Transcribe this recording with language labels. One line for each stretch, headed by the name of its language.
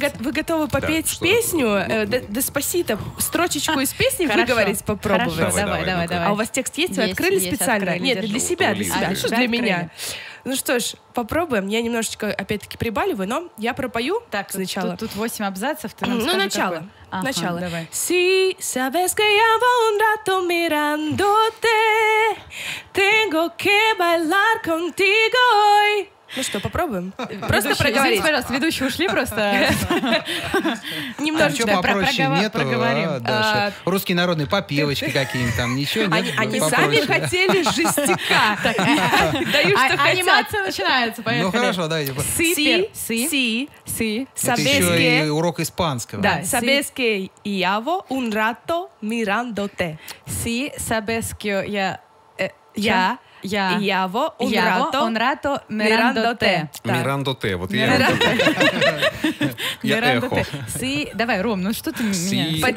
Russian: что, вы готовы попеть да, песню? Деспасито, строчечку из песни выговорить попробовать? Хорошо, давай. А у вас текст есть? Вы открыли специально? Нет, для себя, для себя. Что для меня? Ну что ж, попробуем. Я немножечко, опять-таки, прибаливаю, но я пропою так, сначала. Тут 8 абзацев. Ну, начало. Начало.
Spanish: Si sabes que llevo un rato mirándote, tengo que bailar contigo hoy.
Russian: Ну что, попробуем? Просто проговорим. Извините, пожалуйста, ведущие ушли просто. Немножечко проговорим. Русские народные попевочки какие-нибудь там, ничего нет. Они сами хотели жестяка. Даю, что хотят. Анимация начинается, поехали. Ну хорошо, давайте. Си. Это еще и урок испанского. Да,
Spanish: sabes que llevo un rato mirándote. Si sabes que
Russian: я
Spanish: llevo un rato mirándote. Mirándote,
Russian: вот я.
Spanish: Mirándote. Si,
Russian: давай, Ром, ну что ты меня...